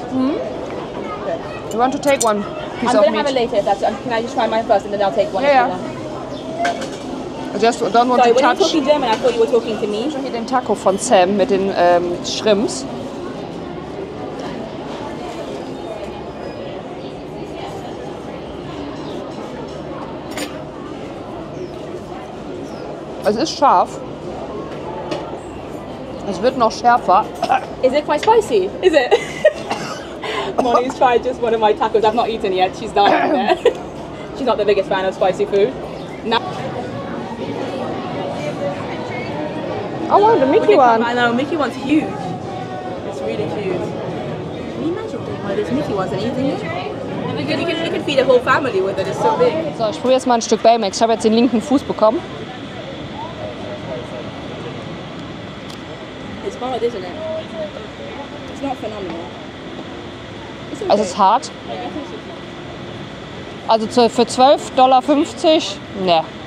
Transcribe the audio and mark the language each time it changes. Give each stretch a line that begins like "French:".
English: Mhm. Okay. Do you want to take one piece of meat? I'm going to have it later. That's, can I just try mine first and then I'll take one? Yeah. I just don't want Sorry, to touch. Sorry, when you were talking German, I thought you were talking to me.
German: Ich habe hier den Taco von Sam mit den Shrimps. Es ist scharf. Es wird noch schärfer.
English: Is it quite spicy? Is it? Molly's tried just one of my tacos. I've not eaten yet. She's dying there. She's not the biggest fan of spicy food. No. Oh, wow, the Mickey one. I know, Mickey one's huge. It's really huge. Can you imagine one of those Mickey ones and eating it? You can feed a whole family with it. It's so big.
German: So, ich probiere jetzt mal ein Stück Baymax. Ich habe jetzt den linken Fuß bekommen.
English: hard, isn't it? It's not phenomenal. It's okay. Also, it's hard.
German: Also für $12.50, ne.